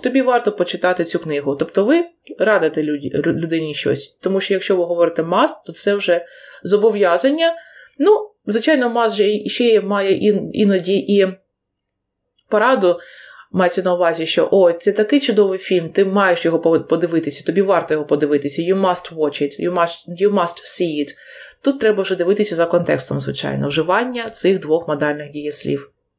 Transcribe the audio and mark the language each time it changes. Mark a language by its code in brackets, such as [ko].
[uk] Тобі варто почитати цю книгу. Тобто ви радите людині щось. Тому що якщо ви говорите must, то це вже зобов'язання. Ну, звичайно, must же ще має іноді і пораду. Мається на увазі, що ой, це такий чудовий фільм, ти маєш його подивитися, тобі варто його подивитися. [en] You must watch it, you must see it. [uk] Тут треба вже дивитися за контекстом, звичайно, вживання цих двох модальних дієслів.